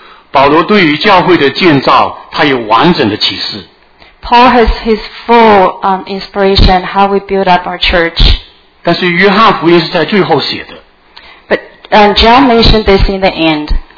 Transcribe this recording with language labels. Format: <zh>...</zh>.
<zh>保罗对于教会的建造，他有完整的启示。</zh> <en>Paul has his full inspiration how we build up our church.</en> <zh>但是约翰福音是在最后写的。But</zh> <en>John mentioned this in the end.</en>